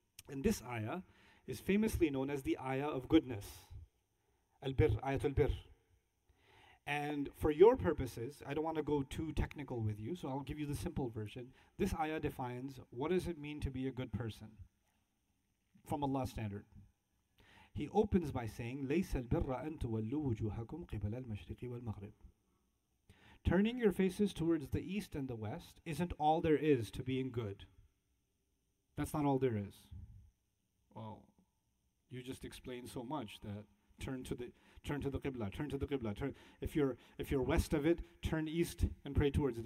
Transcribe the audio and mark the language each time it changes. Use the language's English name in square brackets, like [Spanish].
[English] And this ayah is famously known as the ayah of goodness. Al-Birr, Ayatul Birr. And for your purposes, I don't want to go too technical with you, so I'll give you the simple version. This ayah defines what does it mean to be a good person from Allah's standard. He opens by saying, [Arabic] لَيْسَ الْبِرَّ أَن تُوَلُّوا وُجُوهَكُمْ قِبَلَ الْمَشْرِقِ وَالْمَغْرِبِ. [English] Turning your faces towards the east and the west isn't all there is to being good. That's not all there is. Well, you just explained so much that Turn to the Qibla. If you're west of it, turn east and pray towards it.